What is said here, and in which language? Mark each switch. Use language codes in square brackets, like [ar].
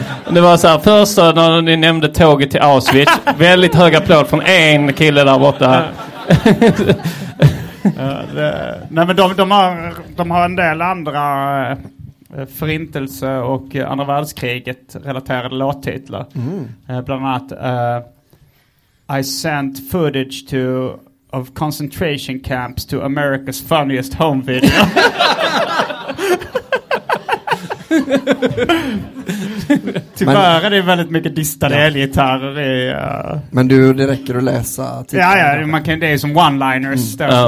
[sv] Det var så här, först när ni nämnde tåget till Auschwitz, väldigt hög applåd från en kille där borta. Nej, men de har en del andra förintelse och andra världskriget relaterade låttitlar. Bland annat [en] I sent footage to of concentration camps to America's funniest home video. [sv] Tyvärr är det väldigt mycket distade elgitarrer. Men du, det räcker att läsa titlar. Ja, man kan, det är som one-liners.